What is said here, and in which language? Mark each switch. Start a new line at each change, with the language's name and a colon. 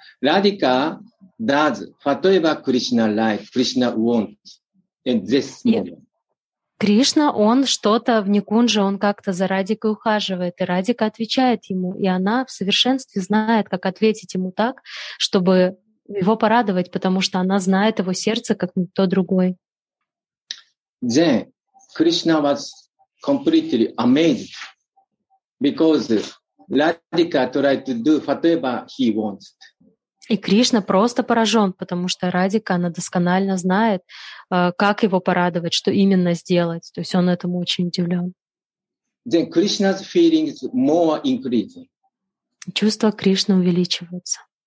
English: Radhika does whatever Krishna likes, Krishna wants in this moment. Yeah.
Russian: Кришна, он что-то в Никунже, он как-то за Радикой ухаживает, и Радика отвечает ему, и она в совершенстве знает, как ответить ему так, чтобы его порадовать, потому что она знает его сердце, как никто другой.
English: Then Krishna was completely amazed because Radika tried to do whatever he wants.
Russian: И Кришна просто поражен, потому что Радика, она досконально знает, как его порадовать, что именно сделать. То есть он этому очень удивлен.
English: Then Krishna's feelings more increasing.
Russian: Чувства Кришны увеличиваются.